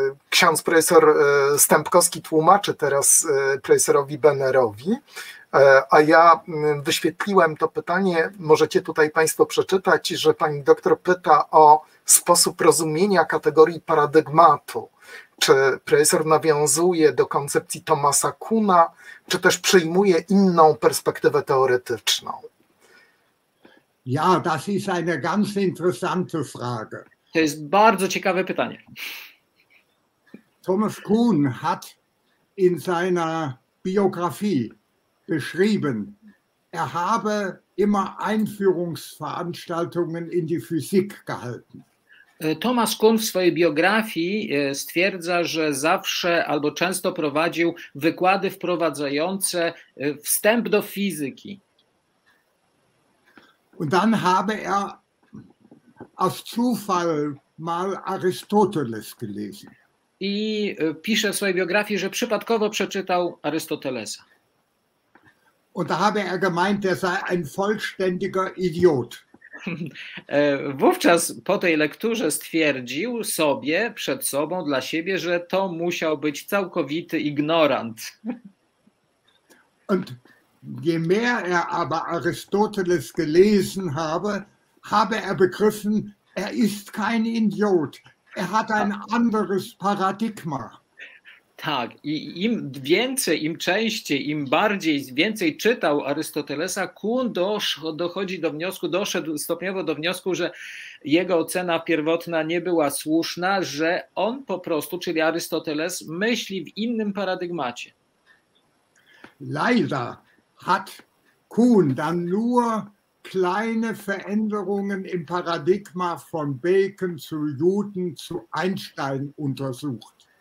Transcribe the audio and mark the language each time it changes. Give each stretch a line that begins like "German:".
Polish: Ksiądz profesor Stępkowski tłumaczy teraz profesorowi Benerowi, a ja wyświetliłem to pytanie, możecie tutaj Państwo przeczytać, że pani doktor pyta o sposób rozumienia kategorii paradygmatu. Czy profesor nawiązuje do koncepcji Thomasa Kuhna, czy też przyjmuje inną perspektywę teoretyczną?
German: Ja, das ist eine ganz interessante Frage.
Polish: To jest bardzo ciekawe pytanie.
German: Thomas Kuhn hat in seiner Biografie beschrieben, er habe immer Einführungsveranstaltungen in die Physik gehalten.
Polish: Thomas Kuhn w swojej biografii stwierdza, że zawsze albo często prowadził wykłady wprowadzające wstęp do fizyki.
German: Und dann habe er aus Zufall mal Aristoteles gelesen.
Polish: I pisze w swojej biografii, że przypadkowo przeczytał Arystotelesa.
German: Und da habe er gemeint, er sei ein vollständiger Idiot.
Polish: Wówczas po tej lekturze stwierdził sobie, przed sobą, dla siebie, że to musiał być całkowity ignorant.
German: Und je mehr er aber Aristoteles gelesen habe, habe er begriffen, er ist kein Idiot. Er hat ein anderes Paradigma.
Polish: Tak, i im więcej, im częściej, im bardziej, więcej czytał Arystotelesa, Kuhn dochodzi do wniosku, doszedł stopniowo do wniosku, że jego ocena pierwotna nie była słuszna, że on po prostu, czyli Arystoteles, myśli w innym paradygmacie.
German: Leider hat Kuhn dann nur kleine Veränderungen im Paradigma von Bacon zu Newton zu Einstein untersucht.